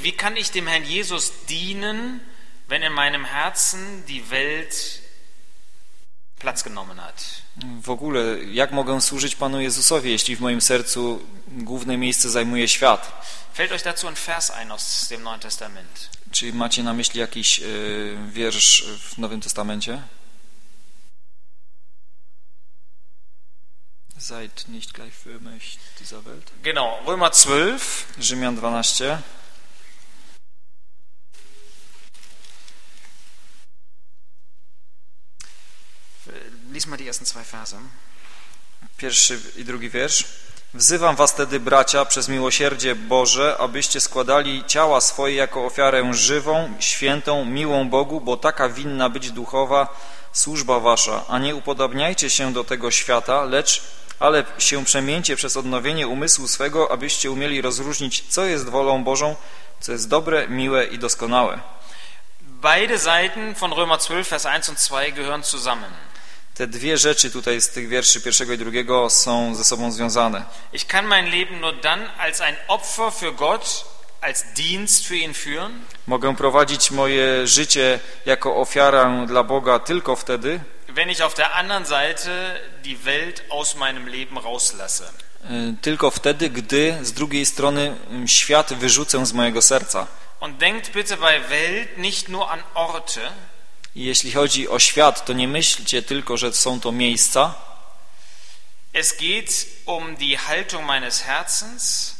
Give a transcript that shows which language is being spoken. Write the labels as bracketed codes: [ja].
[de] Wie kann ich dem Herrn Jesus dienen, wenn in meinem Herzen die Welt Platz genommen hat? [pl] W ogóle, jak mogę służyć Panu Jezusowi, jeśli w moim sercu główne miejsce zajmuje świat? [de] Fällt euch dazu ein Vers ein aus dem Neuen Testament? [pl] Czy macie na myśli jakiś wiersz w Nowym Testamencie? [de] Seid nicht gleichförmig dieser Welt. Genau, Römer 12. [pl] Rzymian 12. [de] Lies mal die ersten zwei Verse. [pl] Pierwszy i drugi wiersz. Wzywam was tedy, bracia, przez miłosierdzie Boże, abyście składali ciała swoje jako ofiarę żywą, świętą, miłą Bogu, bo taka winna być duchowa służba wasza. A nie upodabniajcie się do tego świata, ale się przemieńcie przez odnowienie umysłu swego, abyście umieli rozróżnić, co jest wolą Bożą, co jest dobre, miłe i doskonałe. [de] Beide Seiten von Römer 12, Vers 1 und 2 gehören zusammen. [pl] Te dwie rzeczy tutaj z tych wierszy pierwszego i drugiego są ze sobą związane. [de] Ich kann mein Leben nur dann als ein Opfer für Gott, als Dienst für ihn führen. [pl] Mogę prowadzić moje życie jako ofiarę dla Boga tylko wtedy, [de] wenn ich auf der anderen Seite die Welt aus meinem Leben rauslasse. [pl] Tylko wtedy, gdy z drugiej strony świat wyrzucę z mojego serca. [de] Und denkt bitte bei Welt nicht nur an Orte. [pl] Jeśli chodzi o świat, to nie myślcie tylko, że są to miejsca. [de] Es geht um die Haltung meines Herzens.